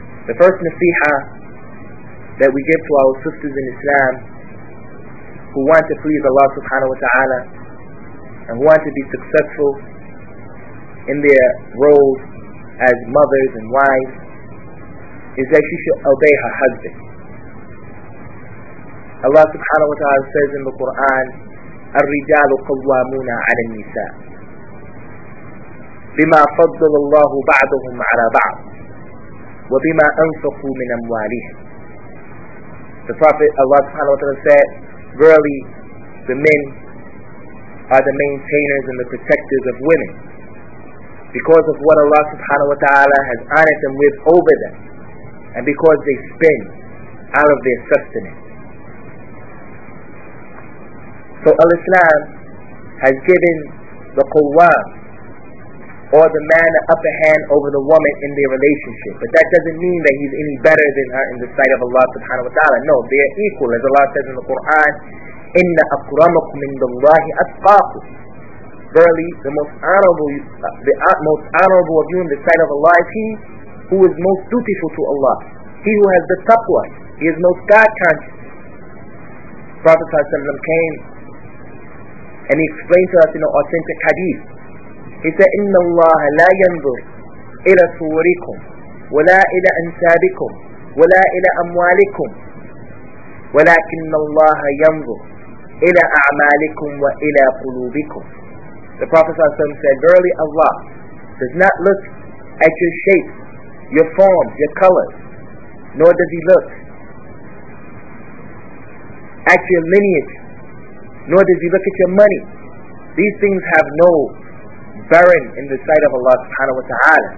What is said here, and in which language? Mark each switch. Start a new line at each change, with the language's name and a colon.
English: The first nasiha that we give to our sisters in Islam who want to please Allah subhanahu wa ta'ala and who want to be successful in their roles as mothers and wives is that she should obey her husband. Allah subhanahu wa ta'ala says in the Quran,
Arabic: الرِّجَالُ قَوَّامُونَ عَلَى النِّسَاءِ بِمَا فَضَّلَ اللَّهُ بَعْضَهُمْ عَلَى بَعْضٍ وَبِمَا أَنفَقُوا مِنْ أَمْوَالِهِمْ.
English: The Prophet, Allah subhanahu wa ta'ala said, verily, the men are the maintainers and the protectors of women because of what Allah subhanahu wa ta'ala has honored them with over them and because they spend out of their sustenance. So Al-Islam has given the Qawwam, or the man, the upper hand over the woman in their relationship. But that doesn't mean that he's any better than her in the sight of Allah subhanahu wa ta'ala. No, they are equal. As Allah says in the Quran,
Arabic: إِنَّ أَكْرَمَكُمْ مِنْدَ اللَّهِ أَتْقَاكُمْ.
English: Verily, the most honorable of you in the sight of Allah is he who is most dutiful to Allah. He who has the taqwa. He is most God conscious. Prophet came and he explained to us in an authentic hadith.
Arabic: He said, إِنَّ اللَّهَ لَا يَنْظُرْ إِلَى صُورِكُمْ وَلَا إِلَى أَنْسَابِكُمْ وَلَا إِلَى أَمْوَالِكُمْ ولكن الله ينظر إلى أعمالكم وإلى قلوبكم.
English: The Prophet ﷺ said, verily Allah does not look at your shape, your form, your colors, nor does He look at your lineage, nor does He look at your money. These things have no bearing in the sight of Allah subhanahu wa ta'ala.